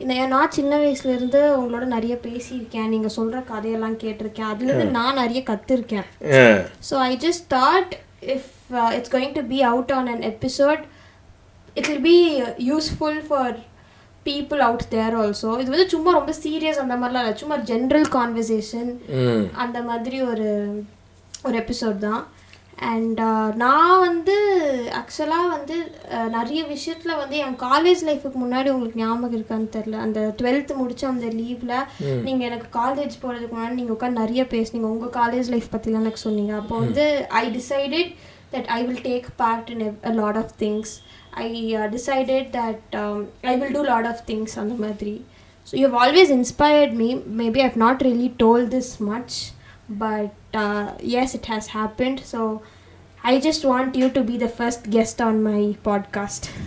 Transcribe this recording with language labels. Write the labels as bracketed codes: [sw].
[ta] நான் சின்ன வயசுல இருந்து உங்களோட நிறைய பேசியிருக்கேன், நீங்க சொல்ற கதையெல்லாம் கேட்டிருக்கேன், அதுல இருந்து நான் நிறைய கத்திருக்கேன். [en] So I just thought if it's going to be out on an episode, it will be useful for people out there also. [ta] இது வந்து சும்மா ரொம்ப சீரியஸ் அந்த மாதிரிலாம் இல்லை, சும்மா ஜென்ரல் கான்வர்சேஷன் அந்த மாதிரி ஒரு எபிசோட் தான். And நான் வந்து ஆக்சுவலாக வந்து நிறைய விஷயத்தில் வந்து என் காலேஜ் லைஃபுக்கு முன்னாடி உங்களுக்கு ஞாபகம் இருக்கான்னு தெரில, அந்த 12th முடித்த அந்த லீவில் நீங்கள் எனக்கு காலேஜ் போகிறதுக்கு முன்னாடி நீங்கள் உட்காந்து நிறைய பேசுனீங்க உங்கள் காலேஜ் லைஃப் பற்றிலாம் எனக்கு சொன்னீங்க. அப்போ வந்து [en] I decided that I will take part in a lot of things, I decided that I will do lot of things [ta] அந்த மாதிரி. [en] So you have always inspired me, maybe I have not really told this much, but yes, it has happened. So I just want you to be the first guest on my podcast.